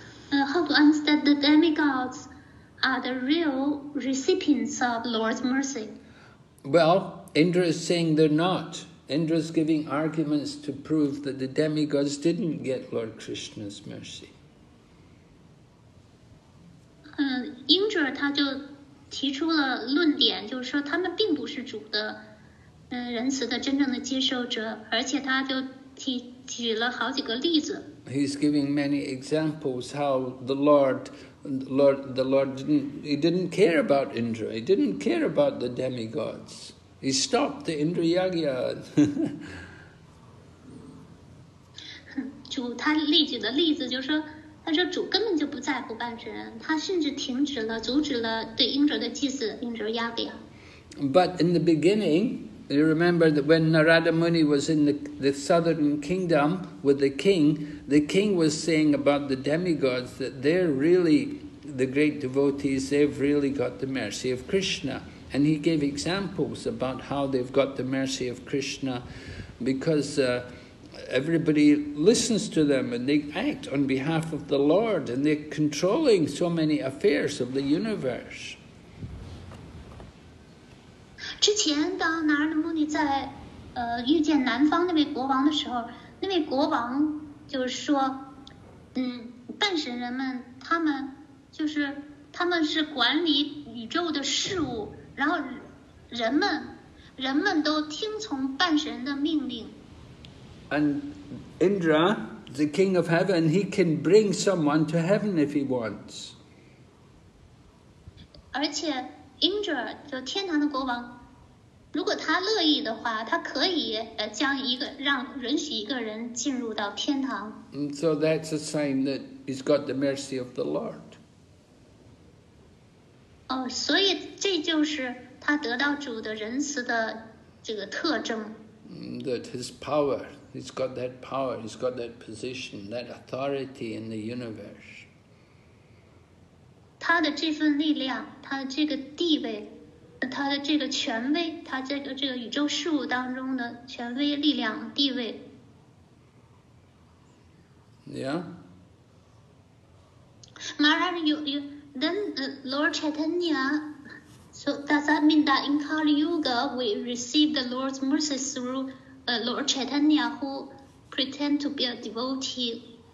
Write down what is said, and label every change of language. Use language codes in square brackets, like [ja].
[en] How to understand the demigods are the real recipients of Lord's mercy? Well, Indra is saying they're not. Indra's giving arguments to prove that the demigods didn't get Lord Krishna's mercy. Indra [zh] 提出了论点，就是说他们并不是主的仁慈的真正的接受者，而且他就举了好几个例子。 [en] He's giving many examples how the Lord didn't care about Indra. He didn't care about the demigods. He stopped the Indra Yagya. [zh] 主他例举的例子就是说，他说主根本就不在乎半神，他甚至停止了、阻止了对Indra的祭祀Indra Yagya。 [en] But in the beginning, you remember that when Narada Muni was in the southern kingdom with the king was saying about the demigods that they're really the great devotees, they've really got the mercy of Krishna. And he gave examples about how they've got the mercy of Krishna because everybody listens to them and they act on behalf of the Lord and they're controlling so many affairs of the universe. [zh] 之前当拿尔德穆尼在遇见南方那位国王的时候，那位国王就是说半神人们他们是管理宇宙的事物，然后人们都听从半神的命令。 [en] And Indra, the king of heaven, he can bring someone to heaven if he wants. [zh] 而且 Indra 就天堂的国王，如果他乐意的话，他可以将一个允许一个人进入到天堂。 [en] And so that's a sign that he's got the mercy of the Lord. [zh] 哦，所以这就是他得到主的仁慈的这个特征。 [en] That his power. He's got that power, he's got that position, that authority in the universe. [zh] 他的这份力量，他的这个地位，他的这个权威，他这个宇宙事物当中的权威、力量、地位。 [en] Yeah. Maharaj, then Lord Chaitanya, so does that mean that in Kali Yuga we receive the Lord's mercy through? Lord Chaitanya, who pretend to be a devotee.